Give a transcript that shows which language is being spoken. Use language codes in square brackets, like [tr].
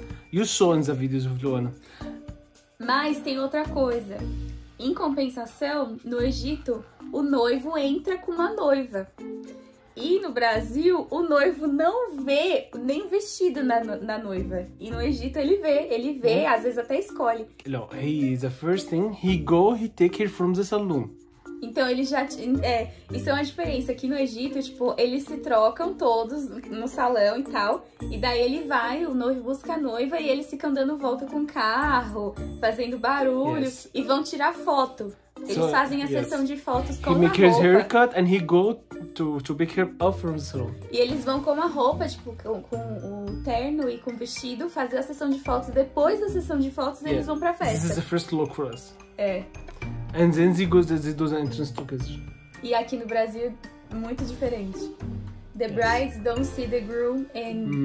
[en] You saw in the videos of Luana. [pt] Mas tem outra coisa. Em compensação, no Egito, o noivo entra com uma noiva. E no Brasil, o noivo não vê nem vestido na noiva. E no Egito ele vê, às vezes até escolhe. [en] No, the first thing, he go, he take her from the saloon. [pt] Então ele já... isso é uma diferença. Aqui no Egito, tipo, eles se trocam todos no salão e tal. E daí ele vai, o noivo busca a noiva e eles ficam dando volta com o carro, fazendo barulho. [en] Yes. [pt] E vão tirar foto. Eles fazem a sessão de fotos com a roupa. [en] He make his haircut and he go to pick her up from the salon. [pt] E eles vão com uma roupa, tipo, com um terno e com um vestido, fazer a sessão de fotos. Depois da sessão de fotos, eles vão pra festa. [en] This is the first look for us. [pt] É. [en] And then he goes to the door entrance together. [pt] E aqui no Brasil, muito diferente. [en] The brides don't see the groom and...